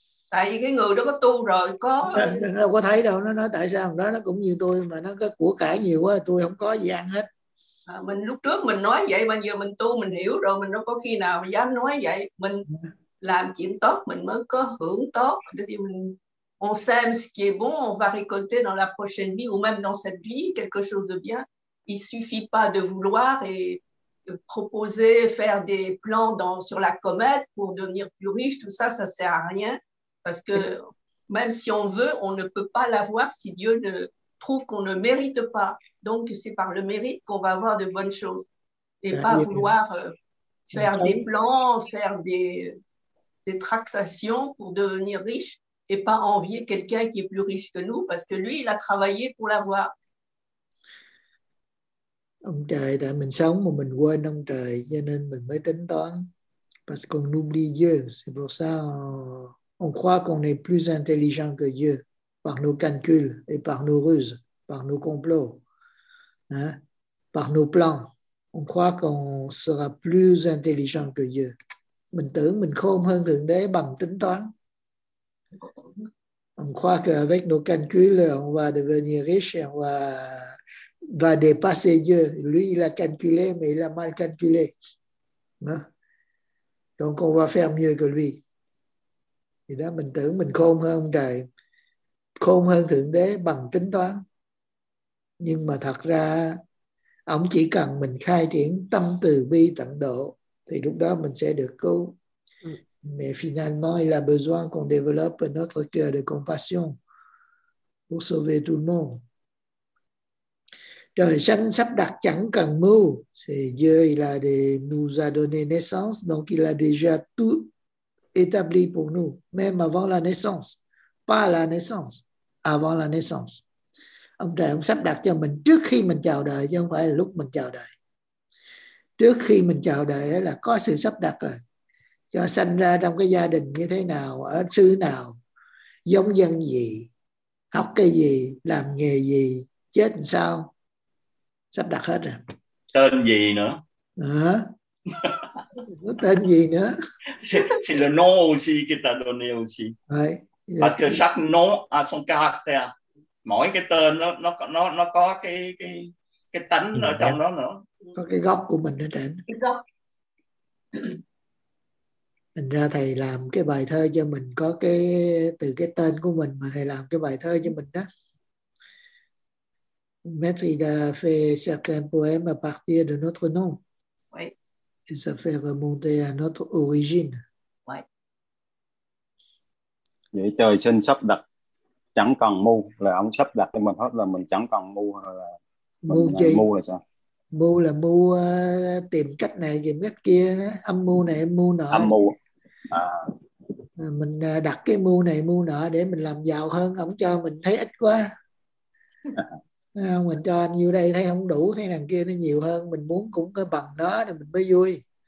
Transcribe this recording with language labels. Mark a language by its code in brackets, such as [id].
[vi] Tại vì cái người đó có tu rồi, có nó đâu có thấy đâu, nó nói tại sao ông đó nó cũng như tôi mà nó có của cải nhiều quá, tôi không có gì ăn hết. Mình lúc trước mình nói vậy mà giờ mình tu mình hiểu rồi, mình đâu có khi nào mà dám nói vậy. Mình làm chuyện tốt mình mới có hưởng tốt. Thì mình [fr] on sème ce qui est bon, on va récolter dans la prochaine vie ou même dans cette vie quelque chose de bien. Il suffit pas de vouloir et de proposer faire des plans dans sur la comète pour devenir plus riche, tout ça ça sert à rien, parce que même si on veut, on ne peut pas l'avoir si Dieu ne trouve qu'on ne mérite pas. Donc c'est par le mérite qu'on va avoir de bonnes choses et pas vouloir faire des plans, faire des tractations pour devenir riche et pas envier quelqu'un qui est plus riche que nous parce que lui il a travaillé pour l'avoir. [vi] Ông trời tại mình sống mà mình quên ông trời cho nên mình mới tính toán, [fr] parce qu'on oublie Dieu, c'est pour ça on croit qu'on est plus intelligent que Dieu par nos calculs et par nos ruses, par nos complots, hein, par nos plans. On croit qu'on sera plus intelligent que Dieu. [vi] Mình tưởng mình khôn hơn Thượng Đế bằng tính toán. [fr] On croit qu'avec nos calculs, on va devenir riche et on va dépasser Dieu. Lui, il a calculé, mais il a mal calculé. Hein? Donc, on va faire mieux que lui. Et là, [vi] mình tưởng mình khôn hơn ông trời, khôn hơn Thượng Đế bằng tính toán. Nhưng mà thật ra ổng chỉ cần mình khai triển tâm từ bi tận độ thì lúc đó mình sẽ được cứu. [fr] Mais finalement il a besoin qu'on développe notre cœur de compassion pour sauver tout le monde. [vi] Trời sanh sắp đặt chẳng cần mưu. [fr] C'est Dieu, il a nous a donné naissance, donc il a déjà tout établi pour nous, même avant la naissance. Pas la naissance, avant la naissance. [vi] Ông trời ông sắp đặt cho mình trước khi mình chào đời, chứ không phải là lúc mình chào đời. Trước khi mình chào đời là có sự sắp đặt rồi. Cho sanh ra trong cái gia đình như thế nào, ở xứ nào, giống dân gì, học cái gì, làm nghề gì, chết làm sao. Sắp đặt hết rồi. Tên gì nữa? Hả? À, tên gì nữa? [fr] C'est le nom aussi qui t'a donné aussi. [vi] Đấy. [fr] Parce que chaque nom a son caractère. [vi] Mỗi cái tên nó có cái tánh ở trong đó nữa. Có cái gốc của mình ở trên. Cái gốc. Thành ra thầy làm cái bài thơ cho mình có cái từ cái tên của mình mà thầy làm cái bài thơ cho mình đó. [fr] Maître a fait certains poèmes à partir de notre nom. Oui. Et ça fait remonter à notre origine. [vi] Để trời sinh sắp đặt chẳng cần mưu, là ông sắp đặt cho mình hết là mình chẳng cần mưu, hay là mưu gì? Mưu là sao? Mưu là mưu tìm cách này tìm cách kia, âm mưu này âm mưu nọ, âm mưu mình đặt cái mưu này mưu nọ để mình làm giàu hơn. Ông cho mình thấy ít quá mình cho anh nhiêu đây thấy không đủ, thấy đằng kia nó nhiều hơn, mình muốn cũng có bằng đó thì mình mới vui.